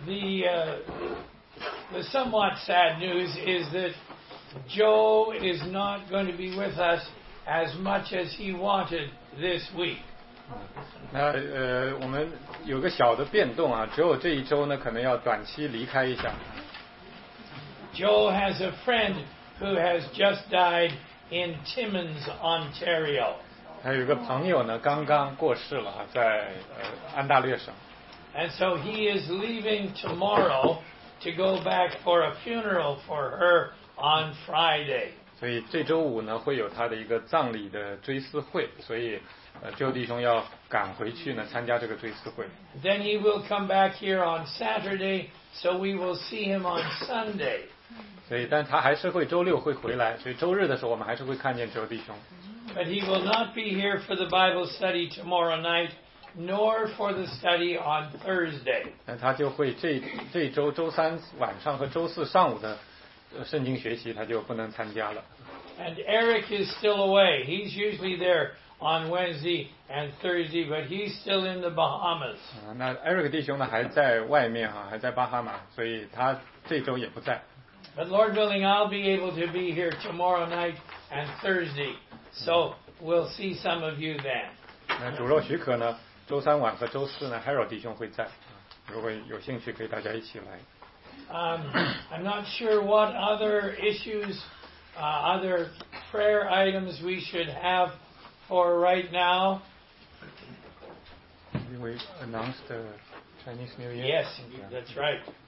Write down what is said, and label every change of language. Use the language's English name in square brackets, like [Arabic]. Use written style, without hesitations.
[English] The somewhat sad news is that Joe is not going to be with us as much as he wanted this week. [Chinese] 我们有个小的变动啊，只有这一周呢，可能要短期离开一下。 [English] Joe has a friend who has just died in Timmins, Ontario. [Chinese] 他有个朋友呢，刚刚过世了，在安大略省。 [English] And so he is leaving tomorrow to go back for a funeral for her on Friday. [Chinese] 所以这周五呢，会有他的一个葬礼的追思会，所以。 Joe 弟兄要赶回去呢，参加这个追思会。 [English] Then he will come back here on Saturday, so we will see him on Sunday. [Chinese] 所以，但他还是会周六会回来，所以周日的时候我们还是会看见 Joe 弟兄。 [English] But he will not be here for the Bible study tomorrow night, nor for the study on Thursday. [Chinese] 那他就会这周周三晚上和周四上午的圣经学习，他就不能参加了。 [English] And Eric is still away. He's usually there. On Wednesday and Thursday, but he's still in the Bahamas. [Chinese] 那 Eric 弟兄呢还在外面哈，还在巴哈马，所以他这周也不在。 [English] But Lord willing, I'll be able to be here tomorrow night and Thursday, so we'll see some of you then. [Chinese] 那主若许可呢，周三晚和周四呢 ，Harold 弟兄会在。如果有兴趣，可以大家一起来。 [English] I'm not sure what other issues, other prayer items we should have. For right now, we announced the Chinese New Year. Yes, that's right.